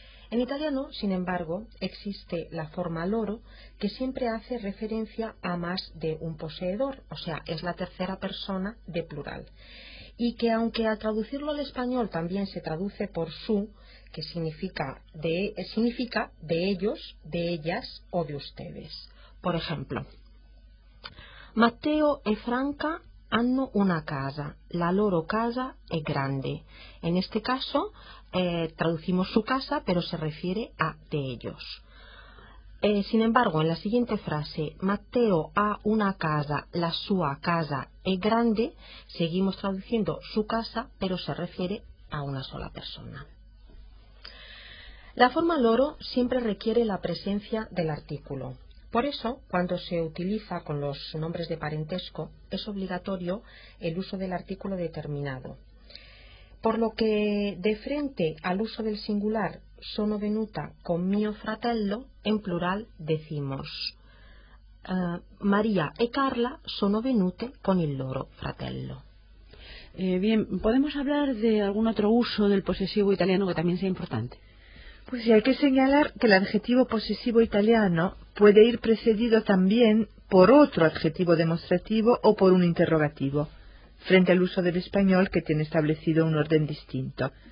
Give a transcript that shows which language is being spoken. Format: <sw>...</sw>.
<es>En italiano, sin embargo, existe la forma loro, que siempre hace referencia a más de un poseedor, o sea, es la tercera persona de plural. Y que aunque al traducirlo al español también se traduce por su, que significa de ellos, de ellas o de ustedes. Por ejemplo,</es> <it>Matteo e Franca hanno una casa, la loro casa è grande.</it> <es>En este caso, traducimos su casa, pero se refiere a de ellos. Sin embargo, en la siguiente frase,</es> <it>Matteo ha una casa, la sua casa è grande,</it> <es>seguimos traduciendo su casa, pero se refiere a una sola persona. La forma loro siempre requiere la presencia del artículo. Por eso, cuando se utiliza con los nombres de parentesco, es obligatorio el uso del artículo determinado. Por lo que, de frente al uso del singular, sono venuta con mio fratello, en plural decimos,</es> <it>María e Carla sono venute con il loro fratello.</it> <es>Bien, ¿podemos hablar de algún otro uso del posesivo italiano que también sea importante? Pues sí, hay que señalar que el adjetivo posesivo italiano puede ir precedido también por otro adjetivo demostrativo o por un interrogativo, frente al uso del español que tiene establecido un orden distinto.</es>